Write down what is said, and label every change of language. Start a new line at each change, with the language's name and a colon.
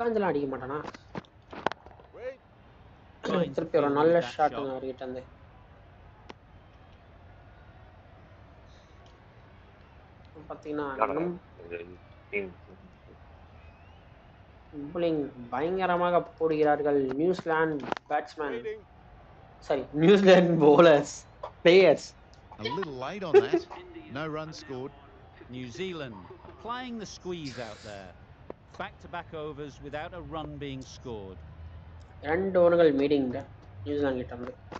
Tamil: பயங்கரமாக போடுகிறார்கள் New Zealand batsman sorry New Zealand
English: bowlers players a little late on that no run scored new zealand playing the squeeze out there back to back overs without a run being scored
Tamil: ரெண்டு ஓவர்கள் மீடிங்க New Zealand கிட்ட வந்து